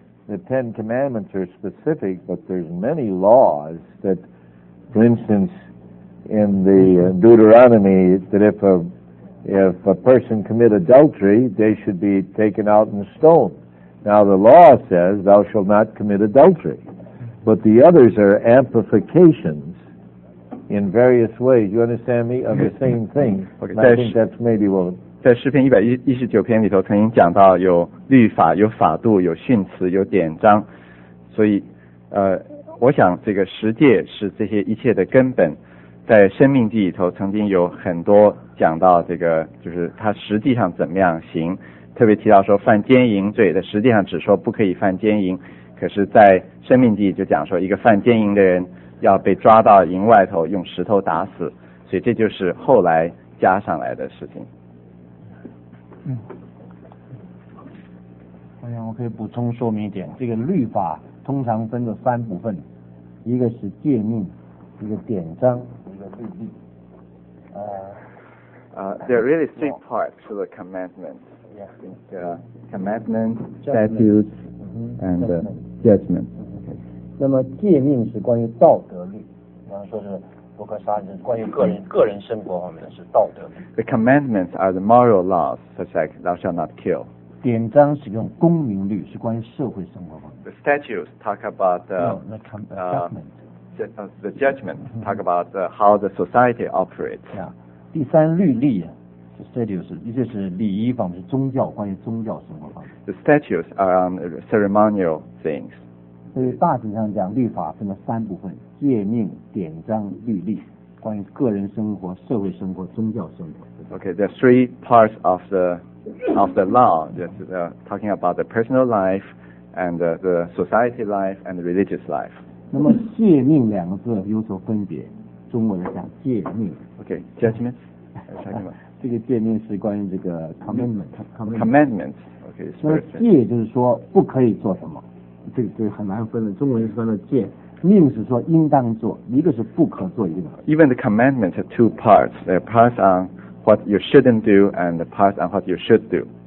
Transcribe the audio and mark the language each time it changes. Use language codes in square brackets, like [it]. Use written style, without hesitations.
[en] The Ten Commandments are specific, but there's many laws that, for instance, in the Deuteronomy, that if a person commit adultery, they should be taken out and stoned. Now the law says, thou shalt not commit adultery. But the others are amplifications in various ways. You understand me? Of the same thing. Okay, I think that's maybe what... [zh] 在诗篇119篇里头曾经讲到有律法、有法度、有训词、有典章，所以我想这个十诫是这些一切的根本。在生命记里头曾经有很多讲到这个，就是它实际上怎么样行，特别提到说犯奸淫罪，在实际上只说不可以犯奸淫，可是在生命记就讲说一个犯奸淫的人要被抓到营外头用石头打死，所以这就是后来加上来的事情。我想我可以补充说明一点，这个律法通常分了三部分，一个是诫命，一个典章，一个律例。 [en] There are really three parts to the commandments. Yeah. Commandments, statutes, and judgment. Okay. [zh] 那么诫命是关于道德律，比方说是不可杀人，关于个人生活方面的是道德律。 [en] The commandments are the moral laws, such as thou shalt not kill. [zh] 典章是用公民律，是关于社会生活方面。 [en] The statutes talk about the judgment. Talk about how the society operates. [zh] Yeah. 第三，律例 statutes 一些是礼仪方面，是宗教，关于宗教生活方面。 [en] The statutes are on ceremonial things. [zh] 所以大体上讲，律法分了三部分：诫命、典章、律例，关于个人生活、社会生活、宗教生活。 [en] Okay, there are three parts of the law. That's talking about the personal life, and the society life, and the religious life. [zh] 那么诫命两个字有所分别，中文讲诫命。 [en] Okay, judgment. [zh] 这个诫命是关于这个 commandment。 [en] Commandment. Okay. [zh] 那么诫就是说不可以做什么。这很难分的，中文是分的戒，命是说应当做，一个是不可做，一个。 [en] Even the commandments have two parts. There are parts on what you shouldn't do and the parts on what you should do.